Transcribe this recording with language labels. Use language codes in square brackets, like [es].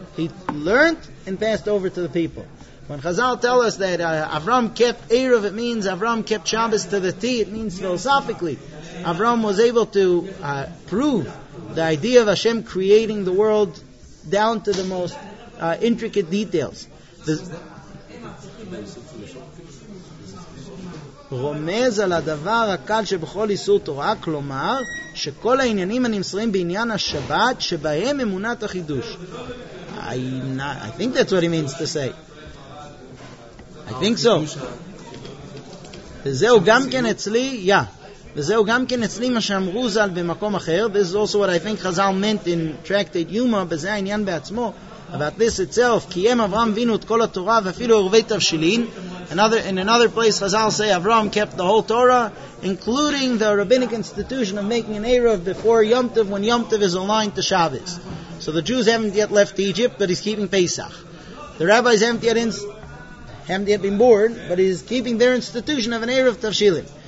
[en] He learned and passed over to the people. When Chazal tell us that Avram kept Erev, it means Avram kept Shabbos to the T. It means philosophically, Avram was able to prove the idea of Hashem creating the world down to the most intricate details. [he] רומז על הדבר הקל שבכל איסור תורה, כלומר, שכל העניינים הנמסרים בעניין השבת, שבהם אמונת החידוש. [en] I think that's what he means to say. I think so. [he] וזהו גם כן אצלי, yeah. וזהו גם כן אצלי מה שאמרו זל במקום אחר. [en] This is also what I think Chazal meant in Tractate Yuma, בזה העניין בעצמו. [he] About this itself, קיים אברהם וינו את כל התורה ואפילו ערבי תבשילין. [en] In another place, Chazal say Avram kept the whole Torah, including the rabbinic institution of making an Erev before Yom Tov, when Yom Tov is aligned to Shabbos. So the Jews haven't yet left Egypt, but he's keeping Pesach. The rabbis haven't yet been born, but he's keeping their institution of an Erev Tavshilim.